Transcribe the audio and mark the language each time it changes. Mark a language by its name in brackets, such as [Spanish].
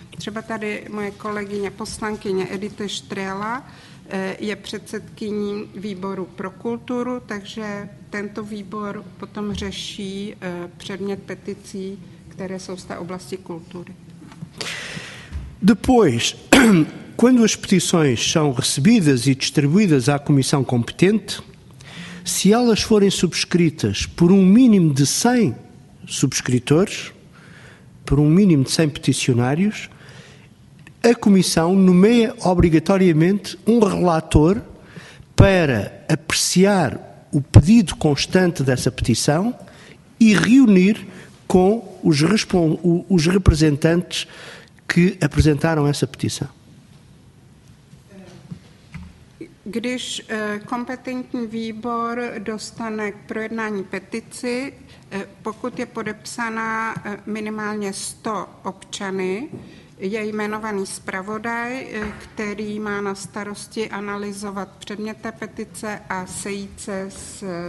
[Czech] Třeba tady moje kolegyně poslankyně Edita Štrela je předsedkyní výboru pro kulturu, takže tento výbor potom řeší předmět peticí, které jsou z té oblasti kultury. [Portuguese] Depois, quando as petições são recebidas e distribuídas à comissão competente, se elas forem subscritas por um mínimo de 100 subscritores, por um mínimo de 100 peticionários, a comissão nomeia obrigatoriamente um relator para apreciar o pedido constante dessa petição e reunir com os representantes que apresentaram essa petição. [Czech] Když kompetentní výbor dostane k projednání petici, pokud je podepsaná minimálně 100 občany, je jmenovaný zpravodaj, který má na starosti analyzovat předmět té petice a sejít se s